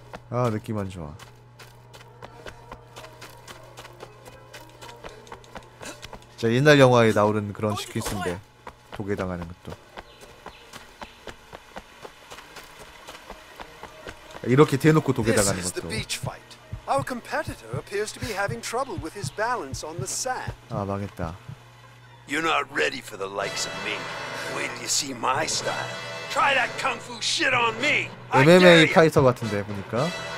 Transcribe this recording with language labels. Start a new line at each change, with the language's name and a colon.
Korean: 아 느낌 안 좋아. 자 옛날 영화에 나오는 그런 시퀀스인데 독에 당하는 것도. 이렇게 대놓고 독에 당하는 것도.
English: Our competitor appears to be having trouble with his balance on the sand.
Korean: 아 망했다.
English: You're not ready for the likes of me. Wait till you see my style. Try that kung fu shit on me.
Korean: MMA 파이터 같은데 보니까.